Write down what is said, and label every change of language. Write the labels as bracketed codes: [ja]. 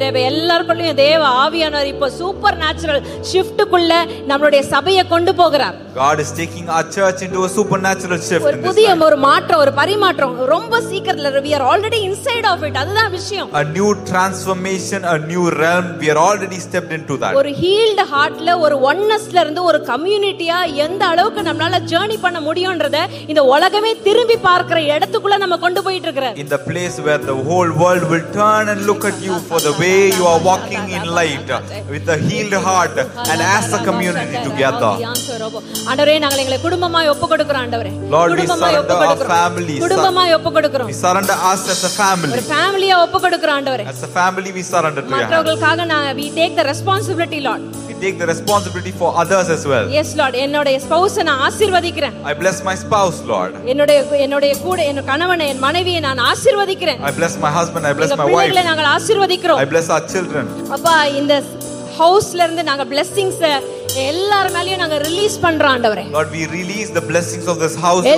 [ta] எல்லாருக்குள்ளயும் தேவ ஆவியானவர் இப்ப சூப்பர் நேச்சுரல் ஷிப்டுக்குள்ள நம்மளுடைய சபையை கொண்டு போகிறார். [en] God is taking our church into a supernatural shift. [ta] ஒரு புதிய ஒரு மாற்றம், ஒரு பரிமாற்றம் ரொம்ப சீக்கிரத்துல. [en] We are already inside of it. [ta] அதுதான் விஷயம். [en] A new transformation, a new realm. We are already stepped into that. [ta] ஒரு healed heartல, ஒரு oneness-ல இருந்து ஒரு community-ஆ எந்த அளவுக்கு நம்மால ஜர்னி பண்ண முடியும்ன்றத இந்த உலகமே திரும்பி பார்க்கிற இடத்துக்குள்ள நம்ம கொண்டு போயிட்டு இருக்கிறோம். [en] In the place where the whole world will turn and look at you for the way you are walking in light with a healed heart and as a community together. [ta] ஆண்டவரே, நாங்கள் எங்களை குடும்பமாய் ஒப்பு கொடுக்கிறோம் ஆண்டவரே. [en] Lord, we surrender our families. [ta] குடும்பமாய் ஒப்பு கொடுக்கிறோம். [en] We surrender us as a family. [ta] ஒரு ஃபேமிலியா ஒப்பு கொடுக்கிறோம் ஆண்டவரே. [en] As a family we surrender to you. [ta] மற்றவர்களுக்காக நாங்க, [en] we take the responsibility, Lord. Take the responsibility for others as well. Yes, Lord. [ta] என்னோட ஸ்பௌஸ நான் ஆசீர்வதிக்கிறேன். [en] I bless my spouse, Lord. [ta] என்னோட கூட என் கணவனை, என் மனைவியை நான் ஆசீர்வதிக்கிறேன். [en] I bless my husband. I bless my wife. [ta] பிள்ளைகளை நாங்கள் ஆசீர்வதிக்கிறோம். [en] I bless our children. [ta] அப்பா, இந்த ஹவுஸ்ல இருந்து நாங்க blessings எல்லார் மேலயும் நாங்க ரிலீஸ் பண்றோம் ஆண்டவரே. [en] God, we release the blessings of this house.